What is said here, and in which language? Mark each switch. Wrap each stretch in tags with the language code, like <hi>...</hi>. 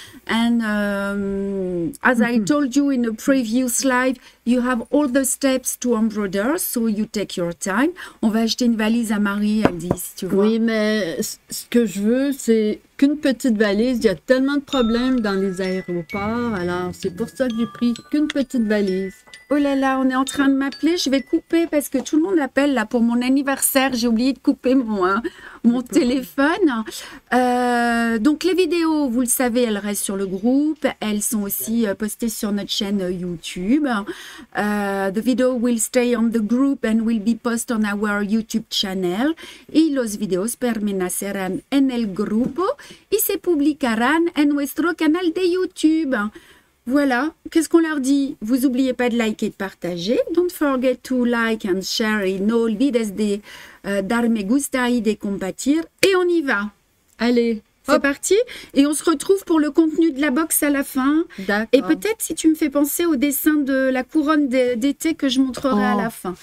<en>And as I told you in a previous live, you have all the steps to embroider, so you take your time.</en> <fr>On va acheter une valise à Marie, elle dit, si tu vois. Oui, mais ce que je veux, c'est qu'une petite valise. Il y a tellement de problèmes dans les aéroports, alors c'est pour ça que j'ai pris qu'une petite valise. Oh là là, on est en train de m'appeler. Je vais couper parce que tout le monde appelle là pour mon anniversaire. J'ai oublié de couper mon téléphone. Donc, les vidéos, vous le savez, elles restent sur le groupe. Elles sont aussi postées sur notre chaîne YouTube.</fr> <en>The video will stay on the group and will be posted on our YouTube channel.</en> <es>Y los videos permanecerán en el grupo y se publicarán en nuestro canal de YouTube.</es> <fr>Voilà, qu'est-ce qu'on leur dit? Vous n'oubliez pas de liker et de partager.</fr> <en>Don't forget to like and share in all videos</en> <es>de dar me gusta y de compartir.</es> <fr>Et on y va. Allez, c'est hop. Parti. Et on se retrouve pour le contenu de la box à la fin. D'accord. Et peut-être si tu me fais penser au dessin de la couronne d'été que je montrerai à la fin.</fr>